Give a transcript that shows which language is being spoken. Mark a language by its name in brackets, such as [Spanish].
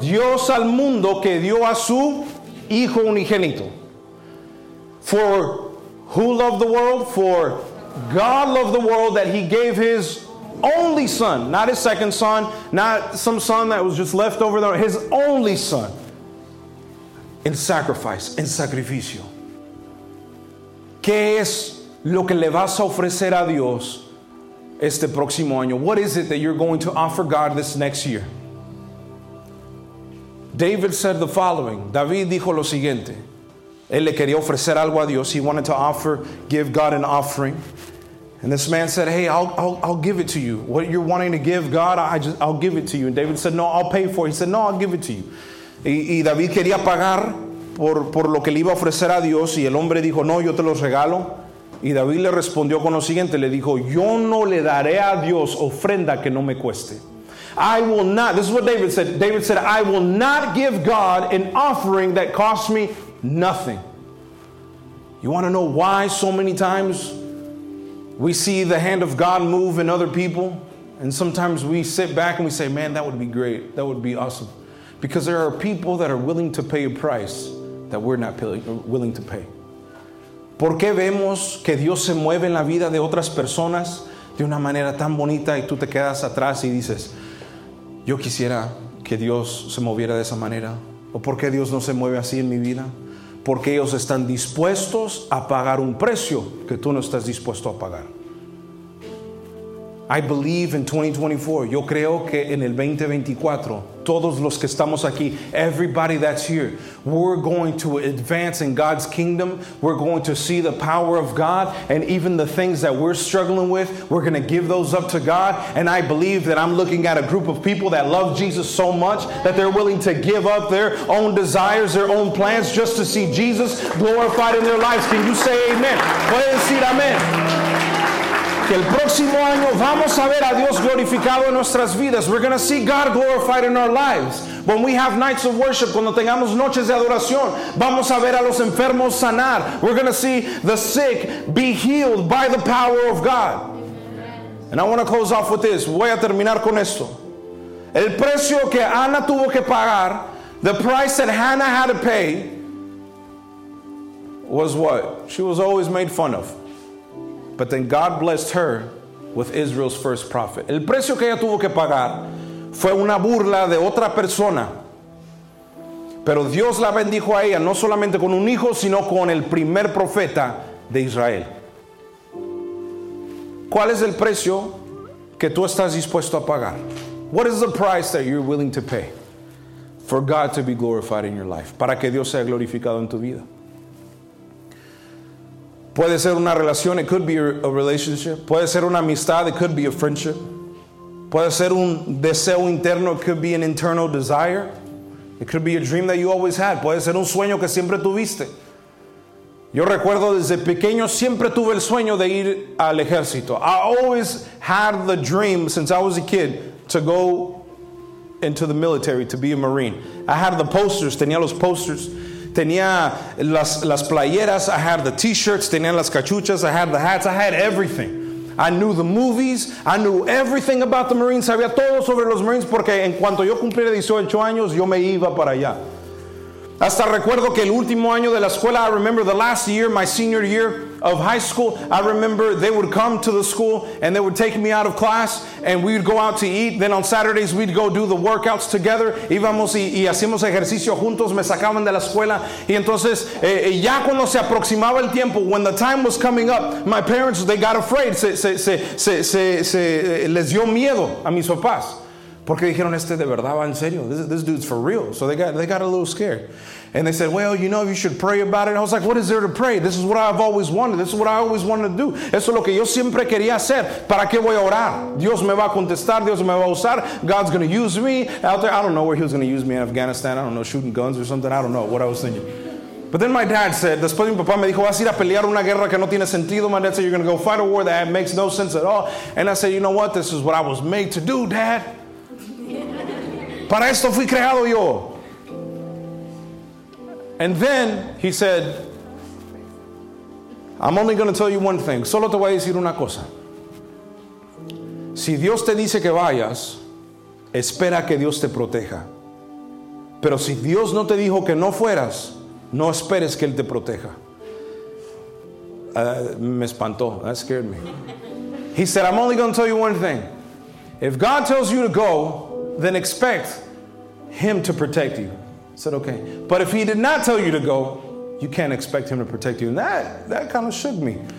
[Spanish] Dios al mundo que dio a su Hijo unigénito. [English] For who loved the world? For God loved the world that he gave his only son, not his second son, not some son that was just left over there, his only son, en sacrifice, [Spanish] en sacrificio. ¿Qué es lo que le vas a ofrecer a Dios este próximo año? [English] What is it that you're going to offer God this next year? David said the following. [Spanish] David dijo lo siguiente. Él le quería ofrecer algo a Dios. [English] He wanted to offer, give God an offering. And this man said, hey, I'll give it to you. What you're wanting to give God, I'll give it to you. And David said, no, I'll pay for it. He said, no, I'll give it to you. [Spanish] Y David quería pagar por lo que le iba a ofrecer a Dios. Y el hombre dijo, no, yo te lo regalo. Y David le respondió con lo siguiente. Le dijo, yo no le daré a Dios ofrenda que no me cueste. [English] I will not. This is what David said. David said, I will not give God an offering that costs me nothing. You want to know why so many times we see the hand of God move in other people? And sometimes we sit back and we say, man, that would be great. That would be awesome. Because there are people that are willing to pay a price that we're not willing to pay. [Spanish] ¿Por qué vemos que Dios se mueve en la vida de otras personas de una manera tan bonita y tú te quedas atrás y dices, yo quisiera que Dios se moviera de esa manera? ¿O por qué Dios no se mueve así en mi vida? Porque ellos están dispuestos a pagar un precio que tú no estás dispuesto a pagar. [English] I believe in 2024. [Spanish] Yo creo que en el 2024, todos los que estamos aquí, [English] everybody that's here, we're going to advance in God's kingdom. We're going to see the power of God. And even the things that we're struggling with, we're going to give those up to God. And I believe that I'm looking at a group of people that love Jesus so much that they're willing to give up their own desires, their own plans, just to see Jesus glorified in their lives. Can you say amen? [Spanish] Pueden decir amen. Que el próximo año vamos a ver a Dios glorificado en nuestras vidas. [English] We're going to see God glorified in our lives. When we have nights of worship, [Spanish] cuando tengamos noches de adoración, vamos a ver a los enfermos sanar. [English] We're going to see the sick be healed by the power of God. Amen. And I want to close off with this. [Spanish] Voy a terminar con esto. El precio que Ana tuvo que pagar, [English] the price that Hannah had to pay, was what? She was always made fun of. But then God blessed her with Israel's first prophet. [Spanish] El precio que ella tuvo que pagar fue una burla de otra persona. Pero Dios la bendijo a ella, no solamente con un hijo, sino con el primer profeta de Israel. ¿Cuál es el precio que tú estás dispuesto a pagar? [English] What is the price that you're willing to pay for God to be glorified in your life? [Spanish] Para que Dios sea glorificado en tu vida. Puede ser una relación, [English] it could be a relationship. [Spanish] Puede ser una amistad, [English] it could be a friendship. [Spanish] Puede ser un deseo interno, [English] it could be an internal desire. It could be a dream that you always had. [Spanish] Puede ser un sueño que siempre tuviste. Yo recuerdo desde pequeño siempre tuve el sueño de ir al ejército. [English] I always had the dream since I was a kid to go into the military, to be a Marine. I had the posters, [Spanish] tenía los posters. Tenía las playeras, [English] I had the t-shirts, [Spanish] tenía las cachuchas, [English] I had the hats, I had everything. I knew the movies, I knew everything about the Marines, [Spanish] sabía todo sobre los Marines, porque en cuanto yo cumpliera 18 años, yo me iba para allá. Hasta recuerdo que el último año de la escuela, [English] I remember the last year, my senior year of high school, I remember they would come to the school and they would take me out of class and we would go out to eat. Then on Saturdays, we'd go do the workouts together. [Spanish] Íbamos y hacíamos ejercicio juntos, me sacaban de la escuela. Y entonces, ya cuando se aproximaba el tiempo, [English] when the time was coming up, my parents, they got afraid. [Spanish] Les dio miedo a mis papás. Porque dijeron, este de verdad va en serio. [English] This dude's for real. So they got a little scared. And they said, well, you know, you should pray about it. I was like, what is there to pray? This is what I've always wanted. This is what I always wanted to do. [Spanish] Eso es lo que yo siempre quería hacer. ¿Para qué voy a orar? Dios me va a contestar. Dios me va a usar. [English] God's going to use me out there. I don't know where he was going to use me in Afghanistan. I don't know, shooting guns or something. I don't know what I was thinking. But then my dad said, [Spanish] después mi papá me dijo, vas a ir a pelear una guerra que no tiene sentido. [English] My dad said, you're going to go fight a war that makes no sense at all. And I said, you know what? This is what I was made to do, Dad. [Spanish] Para esto fui creado yo. [English] And then he said, I'm only going to tell you one thing. [Spanish] Solo te voy a decir una cosa. Si Dios te dice que vayas, espera que Dios te proteja. Pero si Dios no te dijo que no fueras, no esperes que Él te proteja. Me espantó. [English] That scared me. He said, I'm only going to tell you one thing. If God tells you to go, then expect Him to protect you. I said, okay. But if He did not tell you to go, you can't expect Him to protect you. And that kind of shook me.